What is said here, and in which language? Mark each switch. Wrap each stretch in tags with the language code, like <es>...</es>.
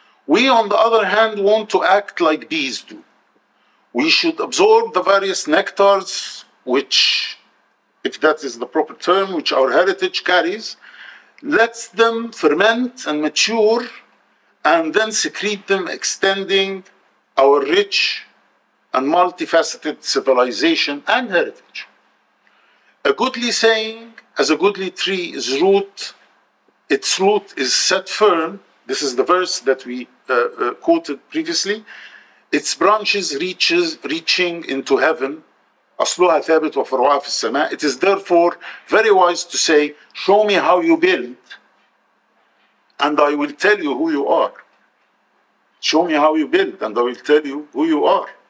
<en>We, on the other hand, want to act like bees do. We should absorb the various nectars, which, if that is the proper term, which our heritage carries, let them ferment and mature, and then secrete them, extending our rich and multifaceted civilization and heritage. A goodly saying, as a goodly tree is root, its root is set firm. This is the verse that we quoted previously. Its branches reaching into heaven.</en> <ar>أصلها ثابت وفروعها في السماء.</ar> <en>It is therefore very wise to say, show me how you build, and I will tell you who you are. Show me how you build, and I will tell you who you are.</en>